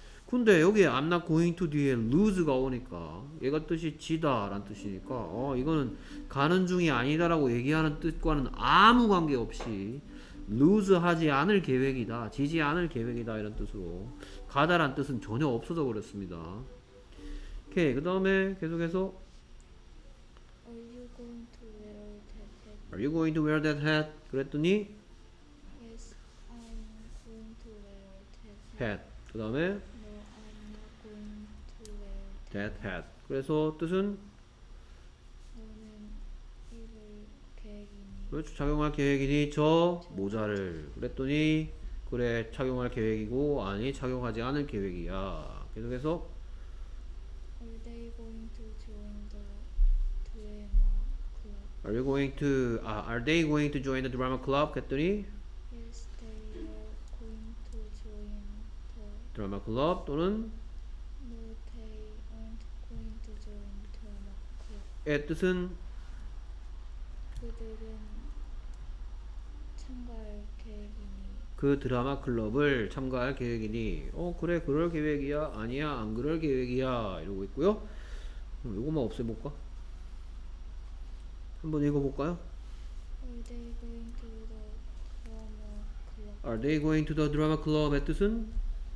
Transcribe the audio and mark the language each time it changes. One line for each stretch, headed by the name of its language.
Korean: 근데 여기
English: I'm not going to
Korean: 뒤에 lose가 오니까 얘가 뜻이 지다라는 뜻이니까 이거는 가는 중이 아니다라고 얘기하는 뜻과는 아무 관계 없이 lose 하지 않을 계획이다, 지지 않을 계획이다 이런 뜻으로 가다란 뜻은 전혀 없어져 버렸습니다. 오케이, 그 다음에 계속해서
English: Are you going to wear that hat? Are you going to wear that hat?
Korean: 그랬더니
English: Yes, I'm going to wear that hat.
Korean: 그 다음에
English: No, I'm not going to wear that hat.
Korean: 그래서 뜻은 너는 입을 계획이니 그렇죠, 착용할 계획이니 저 모자를 그랬더니 그래, 착용할 계획이고 아니 착용하지 않을 계획이야. 계속해서
English: Are they going to join the drama club? Are you going to Are they going to join the drama club?
Korean: 했더니
English: Yes, they are going to join the drama club.
Korean: 또는
English: No, they aren't going to join the drama club.
Korean: 의 뜻은 그들은 참가할 계획이니 그 드라마 클럽을 참가할 계획이니 그래 그럴 계획이야 아니야 안 그럴 계획이야 이러고 있고요. 요것만 없애볼까? 한번 읽어볼까요?
English: Are they going to the drama club? Are they going to the drama club의
Korean: 뜻은?